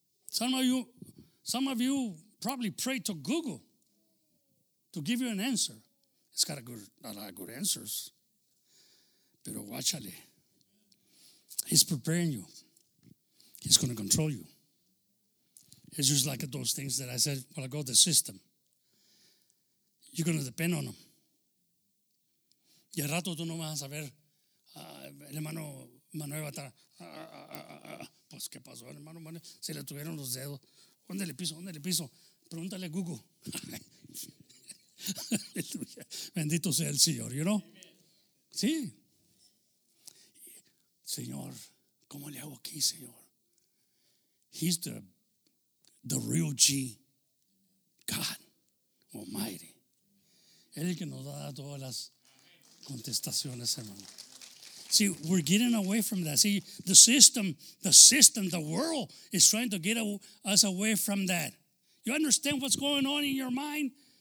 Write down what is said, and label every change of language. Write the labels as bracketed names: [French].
[English] Some of you probably pray to Google to give you an answer. It's got a lot of good answers. [Spanish] Pero guáchale. [English] He's preparing you. He's going to control you. It's just like those things that I said while ago, the system. You're going to depend on them. [Spanish] Y al rato tú no vas a saber, el hermano Manuel va a estar, pues, ¿qué pasó, el hermano Manuel? Se le tuvieron los dedos. ¿Dónde le piso? ¿Dónde le piso? Pregúntale a Google. Bendito sea el Señor, [English] you know? [Spanish] Amen. Sí. Señor, ¿cómo le hago aquí, Señor? [English] He's the real G, God Almighty. [Spanish] Él que nos da todas las contestaciones, hermano. [English] See, we're getting away from that. See, the system, the world is trying to get us away from that. You understand what's going on in your mind?